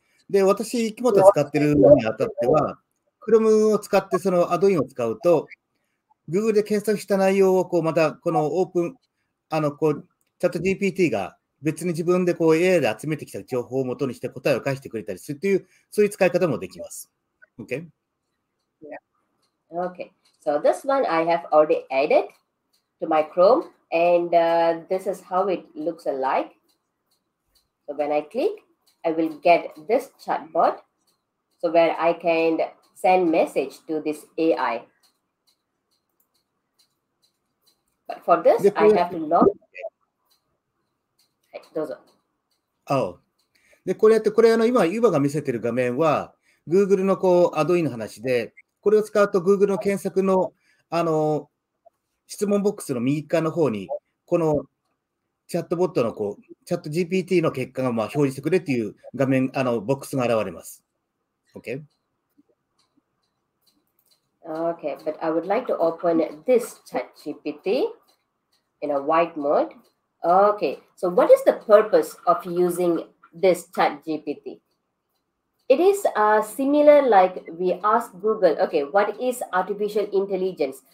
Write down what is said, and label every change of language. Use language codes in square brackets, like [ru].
[ja] で、私、木本使ってるのにあたっては、Chrome を使ってそのアドインを使うと、Google で検索した内容をこう、またこのオープン、あの、こう、ChatGPT が別に自分でこう AI で集めてきた情報をもとにして答えを返してくれたりするという、そういう使い方もできます。 [en] OK? Okay, so this one I have already added to my Chrome, and this is how it looks like. So when I click, I will get this chatbot, so where I can send message to this AI. But for this, I have to log. [ja] Hey, どうぞ。 Oh. で、これやって、これあの今ユーバが見せてる画面は Google のこうアドインの話で。これを使うと Google の検索 の, あの質問ボックスの右側の方にこのチャットボットのこうチャット GPT の結果がまあ表示してくれという画面あのボックスが現れます。 [en] Okay? Okay, but I would like to open this chat GPT in a white mode. Okay, so what is the purpose of using this chat GPT? It is similar like we ask Google, okay, what is artificial intelligence?